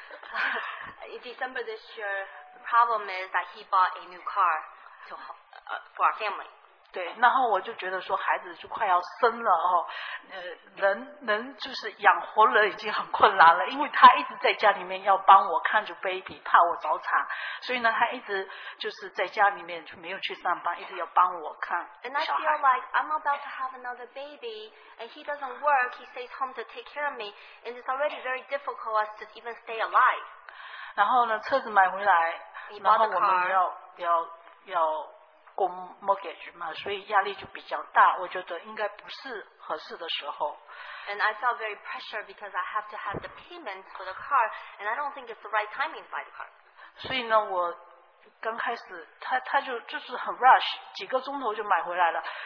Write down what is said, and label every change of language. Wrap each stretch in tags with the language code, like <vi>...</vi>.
<en>But in December this year, the problem is that he bought a new car to for our family.</en> <zh>对，然后我就觉得说，孩子就快要生了哦，能就是养活了已经很困难了，因为他一直在家里面要帮我看着 baby， 怕我早产，所以呢，他一直就是在家里面就没有去上班，一直要帮我看小孩。</zh> <en>And I feel like I'm about to have another baby, and he doesn't work. He stays home to take care of me, and it's already very difficult us to even stay alive.</en> <zh>然后呢，车子买回来，然后我们要。供 mortgage 嘛，所以压力就比较大。我觉得应该不是合适的时候。</zh> <en>And I felt very pressure because I have to have the payment for the car, and I don't think it's the right timing to buy the car.</en> <zh>所以呢，我刚开始他就是很 rush， 几个钟头就买回来了。</zh>